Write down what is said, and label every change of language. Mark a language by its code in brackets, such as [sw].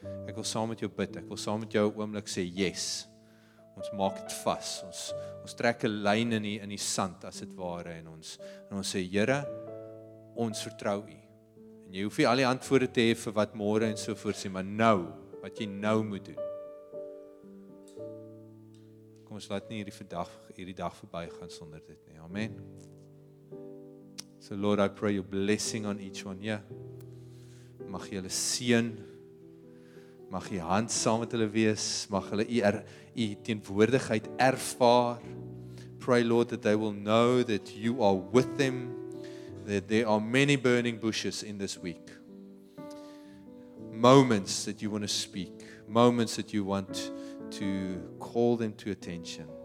[af] Ek wil saam met jou bid, ek wil saam met jou oomblik sê, yes, ons maak het vas, ons trek 'n lyn in die sand, as het ware, en ons sê, Here, ons vertrou u. En jy hoef nie al die antwoorde te hê vir wat môre en so voort sê, maar nou, wat jy nou moet doen. Kom ons laat nie hierdie dag verbygaan sonder dit nie. Amen. [en] So Lord, I pray your blessing on each one. [af] Yeah. Mag jy hulle seën. Mag jy hand saam met hulle wees. Mag hulle u teenwoordigheid ervaar. [en] Pray Lord that they will know that you are with them. That there are many burning bushes in this week. Moments that you want to speak. Moments that you want to call them to attention.